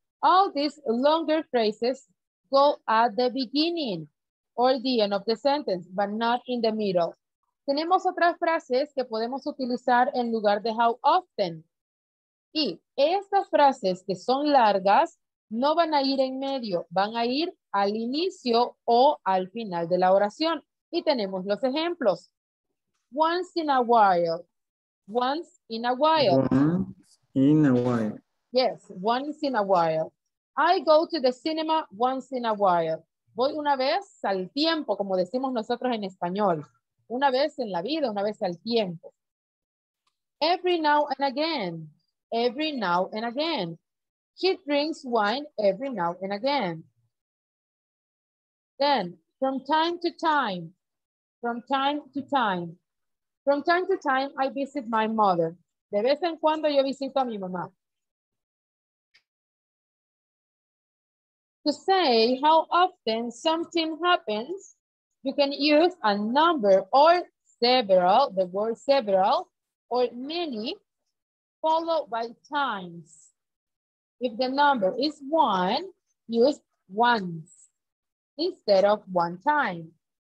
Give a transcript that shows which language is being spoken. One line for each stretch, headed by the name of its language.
English: All these longer phrases go at the beginning or the end of the sentence, but not in the middle.
Spanish: Tenemos otras frases que podemos utilizar en lugar de how often. Y estas frases que son largas no van a ir en medio, van a ir al inicio o al final de la oración. Y tenemos los ejemplos.
English: Once in a while. Once in a while. Once in a while. Yes, once in a while. I go to the cinema once in a while.
Spanish: Voy una vez al tiempo, como decimos nosotros en español. Una vez en la vida, una vez al tiempo.
English: Every now and again. Every now and again. He drinks wine every now and again. Then, from time to time. From time to time. From time to time, I visit my mother.
Spanish: De vez en cuando yo visito a mi mamá.
English: To say how often something happens, you can use a number or several, the word several, or many, followed by times. If the number is one, use once instead of one time.